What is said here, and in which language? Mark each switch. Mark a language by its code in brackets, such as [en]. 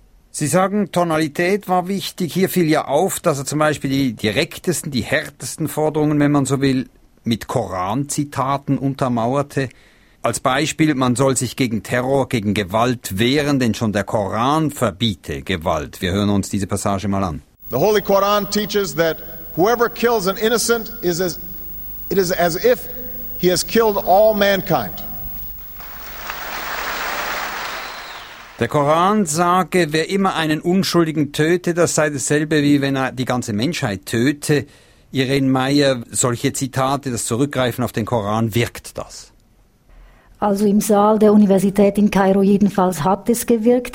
[de] Sie sagen, Tonalität war wichtig. Hier fiel ja auf, dass er zum Beispiel die direktesten, die härtesten Forderungen, wenn man so will, mit Koranzitaten untermauerte. Als Beispiel, man soll sich gegen Terror, gegen Gewalt wehren, denn schon der Koran verbiete Gewalt. Wir hören uns diese Passage mal an. [en] The Holy Quran teaches that whoever kills an innocent is as if he has killed all mankind. [de] Der Koran sage, wer immer einen Unschuldigen töte, das sei dasselbe, wie wenn er die ganze Menschheit töte. Irene Meyer, solche Zitate, das Zurückgreifen auf den Koran, wirkt das? Also im Saal der Universität in Kairo jedenfalls hat es gewirkt.